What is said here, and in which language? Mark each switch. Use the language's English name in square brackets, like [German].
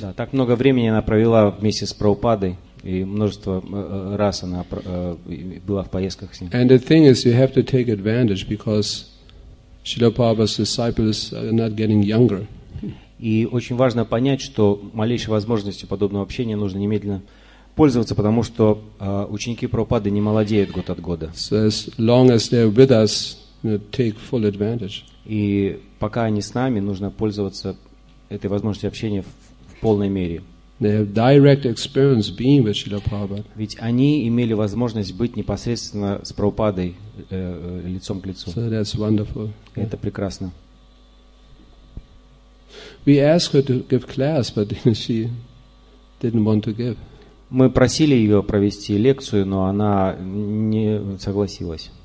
[Russian] Да, так много времени она провела вместе с Прабхупадой. И множество раз она была в поездках с ним. [English] And the thing is, you have to take advantage because Srila Prabhupada's disciples are not getting younger. [Russian] И очень важно понять, что малейшие возможности подобного общения нужно немедленно пользоваться, потому что ученики Прабхупады не молодеют год от года. [English] So as long as they're with us, take full advantage. [Russian] И пока они с нами, нужно пользоваться этой возможностью общения в полной мере. [English] They have direct experience being with Srila Prabhupada. [Russian] Ведь они имели возможность быть непосредственно с Прабхупадой лицом к лицу. [English] So that's wonderful. [Russian] Это прекрасно. [English] We asked her to give class, but she didn't want to give. [Russian] Мы просили ее провести лекцию, но она не согласилась.